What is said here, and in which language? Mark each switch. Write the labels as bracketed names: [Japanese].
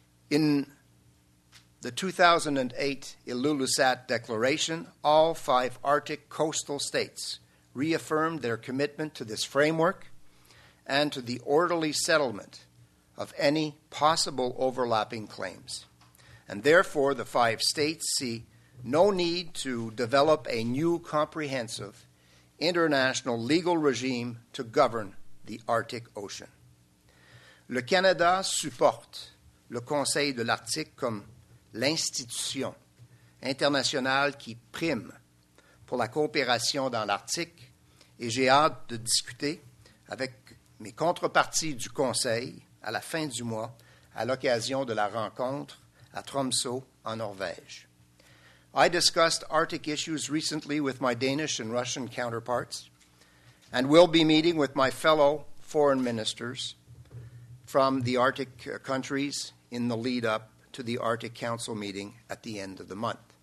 [English] In the 2008 Ilulissat Declaration, all five Arctic coastal states reaffirmed their commitment to this framework and to the orderly settlement of any possible overlapping claims. And therefore, the five states see no need to develop a new comprehensive international legal regime to govern the Arctic Ocean. [French] Le Canada supporte le Conseil de l'Arctique comme l'institution internationale qui prime pour la coopération dans l'Arctique, et j'ai hâte de discuter avec mes contreparties du Conseil à la fin du mois à l'occasion de la rencontre à Tromsø en Norvège. [English] I discussed Arctic issues recently with my Danish and Russian counterparts and will be meeting with my fellow foreign ministers from the Arctic countries in the lead up to the Arctic Council meeting at the end of the month.